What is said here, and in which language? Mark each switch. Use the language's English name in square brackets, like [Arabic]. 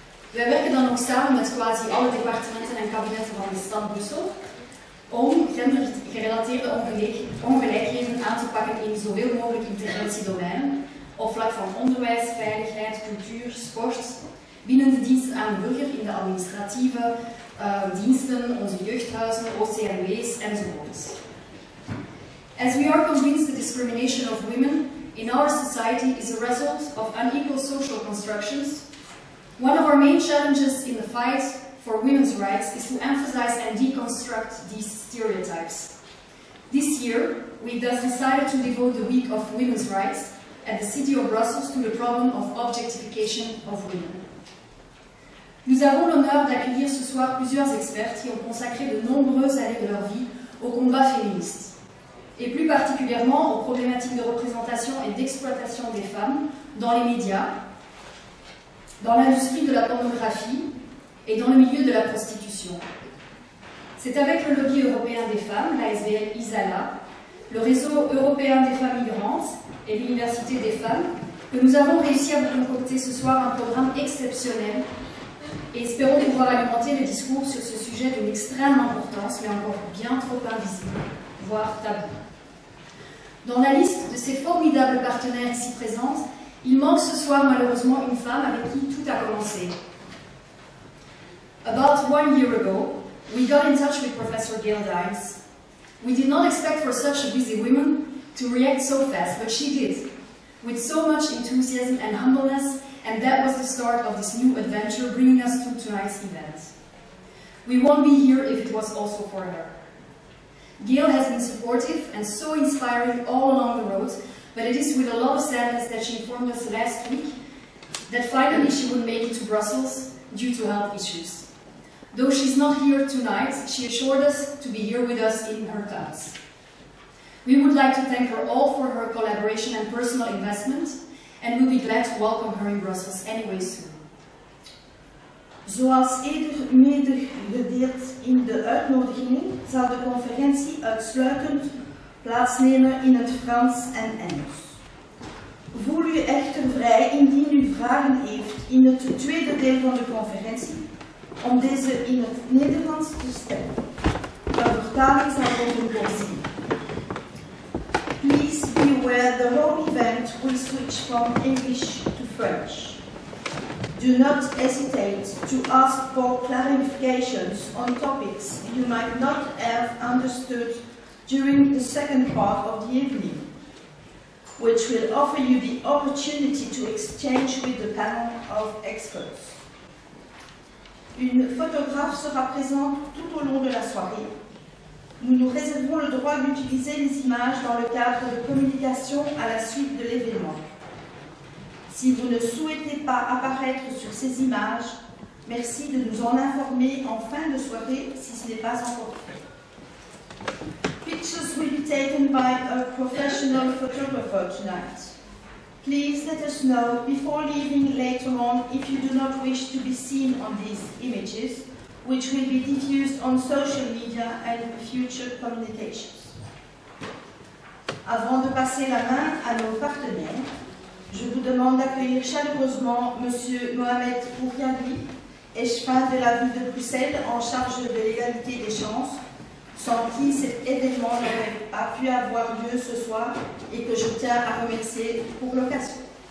[Dutch] Wij werken dan ook samen met quasi alle departementen en kabinetten van de stad Brussel om gendergerelateerde ongelijkheden aan te pakken in zoveel mogelijk interventiedomeinen, op vlak van onderwijs, veiligheid, cultuur, sport, binnen de diensten aan de burger, in de administratieve diensten, onze jeugdhuizen, OCMW's enzovoorts. [English] As we are convinced, the discrimination of women in our society is a result of unequal social constructions. One of our main challenges in the fight for women's rights is to emphasize and deconstruct these stereotypes. This year, we thus decided to devote the Week of Women's Rights at the City of Brussels to the problem of objectification of women. [French] Nous avons l'honneur d'accueillir ce soir plusieurs experts qui ont consacré de nombreuses années de leur vie au combat féministe, et plus particulièrement aux problématiques de représentation et d'exploitation des femmes dans les médias, dans l'industrie de la pornographie et dans le milieu de la prostitution. C'est avec le lobby européen des femmes, l'ASVL ISALA, le réseau européen des femmes migrantes et l'université des femmes que nous avons réussi à vous concocter ce soir un programme exceptionnel et espérons pouvoir alimenter les discours sur ce sujet d'une extrême importance mais encore bien trop invisible, voire tabou. Dans la liste de ces formidables partenaires ici présentes, il manque ce soir malheureusement une femme avec qui tout a commencé. [English] About one year ago, we got in touch with Professor Gail Dines. We did not expect for such a busy woman to react so fast, but she did, with so much enthusiasm and humbleness, and that was the start of this new adventure bringing us to tonight's event. We won't be here if it was also for her. Gail has been supportive and so inspiring all along the road, but it is with a lot of sadness that she informed us last week that finally she would make it to Brussels due to health issues. Though she's not here tonight, she assured us to be here with us in her thoughts. We would like to thank her all for her collaboration and personal investment, and we'll be glad to welcome her in Brussels anyway soon. [Dutch] Zoals eerder medegedeeld in de uitnodiging, zal de conferentie uitsluitend plaatsnemen in het Frans en Engels. Voel u echter vrij, indien u vragen heeft in het tweede deel van de conferentie, om deze in het Nederlands te stellen. De vertaling zal worden voorzien. [English] Please be aware the whole event will switch from English to French. Do not hesitate to ask for clarifications on topics you might not have understood during the second part of the evening, which will offer you the opportunity to exchange with the panel of experts. [French] Une photographe sera présente tout au long de la soirée. Nous nous réservons le droit d'utiliser les images dans le cadre de communication à la suite de l'événement. Si vous ne souhaitez pas apparaître sur ces images, merci de nous en informer en fin de soirée si ce n'est pas encore fait. [English] Pictures will be taken by a professional photographer tonight. Please let us know before leaving later on if you do not wish to be seen on these images, which will be diffused on social media and future communications. [French] Avant de passer la main à nos partenaires, je vous demande d'accueillir chaleureusement M. Mohamed Bouriadi, échevin de la ville de Bruxelles en charge de l'égalité des chances, sans qui cet événement n'aurait pas pu avoir lieu ce soir et que je tiens à remercier pour l'occasion.